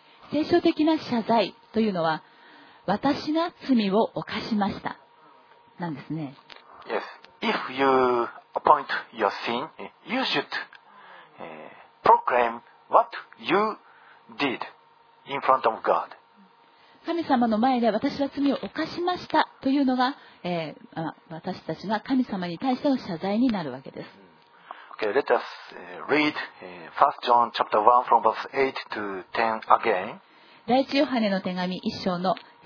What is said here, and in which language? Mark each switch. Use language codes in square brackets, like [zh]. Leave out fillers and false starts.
[ja] 聖書的な謝罪というのは私が罪を犯しましたなんですね。 [en] Yes, if youappoint your sin, you should proclaim what you did in front of God. [ja] 神様の前で私は罪を犯しましたというのが、私たちが神様に対しての謝罪になるわけです。 [en] Okay, let us read 1 John chapter 1 from verse 8 to 10 again. [ja] 第一ヨハネの手紙1章の、